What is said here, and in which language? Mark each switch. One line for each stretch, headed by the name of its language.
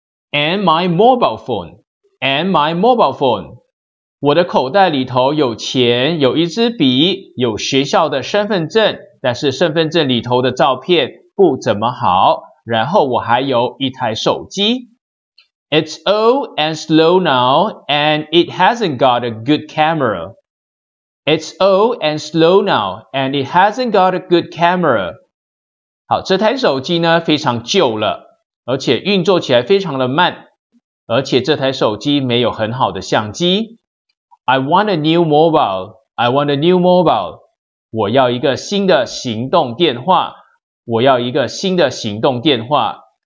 English: And my mobile phone. And my mobile phone.
Chinese: 我的口袋里头有钱,有一支笔,有学校的身份证,但是身份证里头的照片不怎么好,然后我还有一台手机.
English: It's old and slow now, and it hasn't got a good camera. It's old and slow now, and it hasn't got a good camera.
Chinese: 好,这台手机呢,非常旧了,而且运作起来非常的慢。而且这台手机没有很好的相机。
English: I want a new mobile. I want a new mobile.
Chinese: 我要一个新的行动电话。我要一个新的行动电话。